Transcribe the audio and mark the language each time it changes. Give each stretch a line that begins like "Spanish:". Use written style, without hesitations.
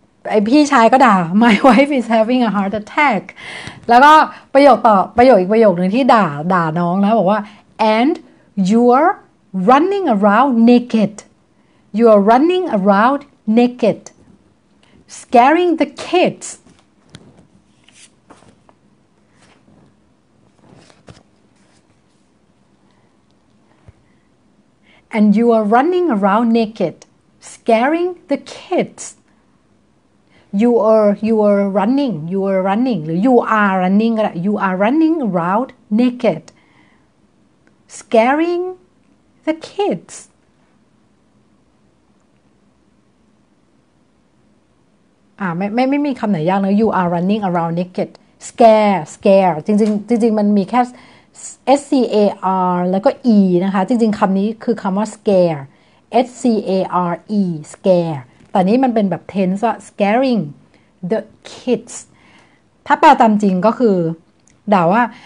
Thai: ไอพี่ชายก็ด่า
English: My wife is having a heart attack
Thai: แล้วก็ประโยคต่อประโยคอีกประโยคนึงที่ด่าน้องนะบอกว่า
English: and you're running around naked you're running around naked scaring the kidsAnd you are running around naked, scaring the kids. You are running,
Thai: หรือ
English: you are running around naked, scaring the kids.
Thai: ไม่มีคำไหนยากนะ
English: you are running around naked, scare
Thai: จริงๆมันมีแค่S-C-A-R แล้วก็ E นะคะจริงๆคำนี้คือคำว่า scare S-C-A-R-E scare แต่นี้มันเป็นแบบ tense ว่า
English: scaring the kids
Thai: ถ้าแปลตามจริงก็คือด่าว่า